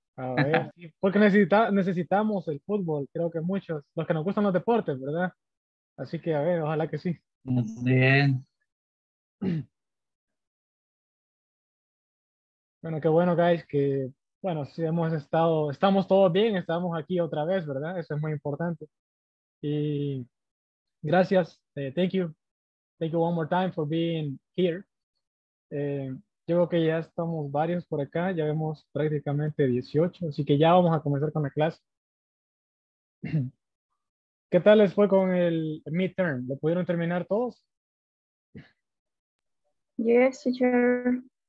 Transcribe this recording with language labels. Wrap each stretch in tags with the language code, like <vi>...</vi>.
<es>A ver, porque necesitamos el fútbol, creo que muchos, los que nos gustan los deportes, ¿verdad? Así que a ver, ojalá que sí. Bien. Bueno, qué bueno, guys, que, bueno, sí hemos estado, estamos todos bien, estamos aquí otra vez, ¿verdad? Eso es muy importante. Y gracias,</es> <en>thank you one more time for being here.</en> <es>Yo creo que ya estamos varios por acá, ya vemos prácticamente 18, así que ya vamos a comenzar con la clase. ¿Qué tal les fue con el midterm? ¿Lo pudieron terminar todos?</es> <en>Yes, teacher.</en>